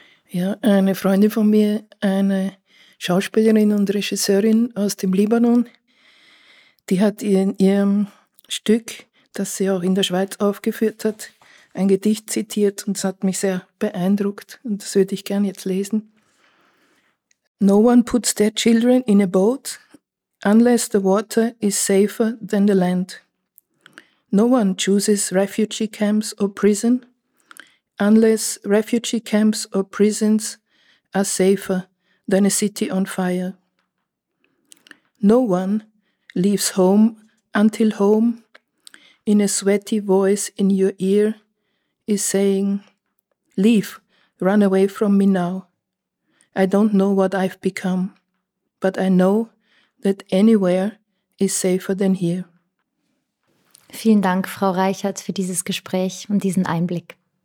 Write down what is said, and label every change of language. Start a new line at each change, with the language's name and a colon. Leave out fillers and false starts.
German: Ja, eine Freundin von mir, eine Schauspielerin und Regisseurin aus dem Libanon, die hat in ihrem Stück, das sie auch in der Schweiz aufgeführt hat, ein Gedicht zitiert, und es hat mich sehr beeindruckt, und das würde ich gerne jetzt lesen.
English: No one puts their children in a boat unless the water is safer than the land. No one chooses refugee camps or prison unless refugee camps or prisons are safer than a city on fire. No one leaves home until home in a sweaty voice in your ear is saying, leave, run away from me now. I don't know what I've become, but I know that anywhere is safer than here.
German: Vielen Dank, Frau Reichert, für dieses Gespräch und diesen Einblick.